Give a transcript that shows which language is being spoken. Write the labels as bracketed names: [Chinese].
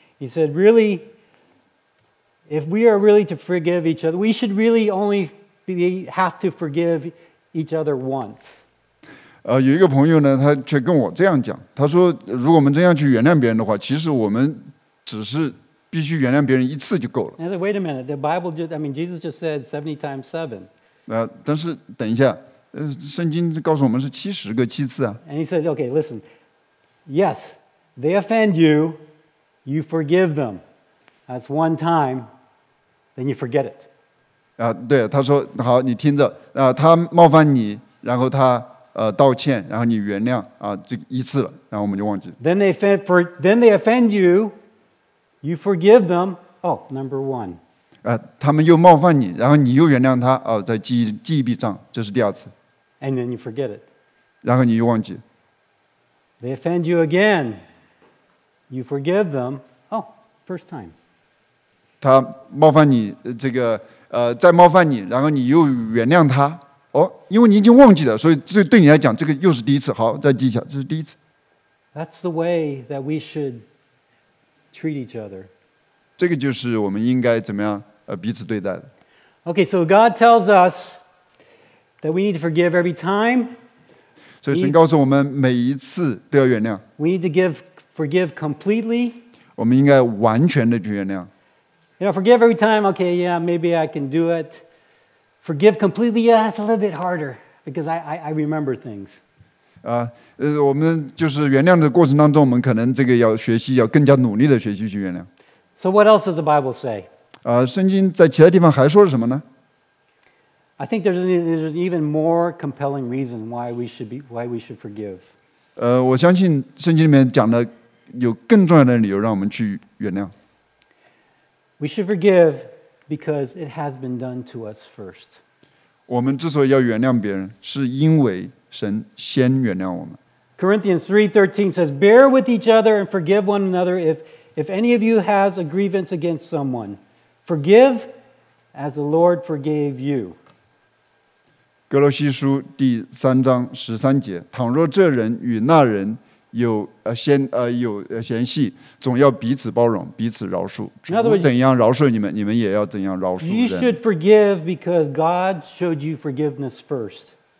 [English] He said, "Really, if we are really to forgive each other, we should really only have to forgive each other once." [Chinese] 有一个朋友呢，他却跟我这样讲，他说如果我们这样去原谅别人的话，其实我们只是必须原谅别人一次就够了。 [English] I said, wait a minute, the Bible just, I mean, Jesus just said 70 times 7. [Chinese] 但是等一下，圣经告诉我们是70个七次啊。 [English] And he said, okay, listen, yes, they offend you, you forgive them. That's one time, then you forget it. [Chinese] 对，他说，好，你听着，他冒犯你，然后他道歉，然后你原谅这一次了，然后我们就忘记。 [English] Then they offend you, you forgive them. Oh, number one. [Chinese] 他们又冒犯你，然后你又原谅他再记一笔账，这是第二次。 [English] And then you forget it. [Chinese] 然后你又忘记。 [English] They offend you again, you forgive them. Oh, first time. [Chinese] 他冒犯你这个再冒犯你，然后你又原谅他。因为你已经忘记了，所以这对你来讲，这个又是第一次。好，再记一下，这是第一次。 [English] That's the way that we should treat each other. [Chinese] 这个就是我们应该怎么样彼此对待的。 [English] Okay, so God tells us that we need to forgive every time. [Chinese] 所以神告诉我们，每一次都要原谅。 [English] We need to forgive completely. [Chinese] 我们应该完全的去原谅。 [English] You know, forgive every time. Okay, yeah, maybe I can do it. Forgive completely, yeah, it's a little bit harder because I remember things. [Chinese] 我们就是原谅的过程当中，我们可能这个要学习，要更加努力的学习去原谅。 [English] So what else does the Bible say? [Chinese] 圣经在其他地方还说了什么呢？ [English] I think there's an even more compelling reason why we should forgive. [Chinese] 我相信圣经里面讲的有更重要的理由让我们去原谅。 [English] We should forgive. Because it has been done to us first. [Chinese] 我们之所以要原谅别人，是因为神先原谅我们。 [English] Corinthians 3:13 says, "Bear with each other and forgive one another. If any of you has a grievance against someone, forgive as the Lord forgave you." [Chinese] 格罗西书第三章十三节，倘若这人与那人有嫌隙，总要彼此包容，彼此饶恕。主怎样饶恕你们，你们也要怎样饶恕人。 [English] You should forgive because God showed you forgiveness first.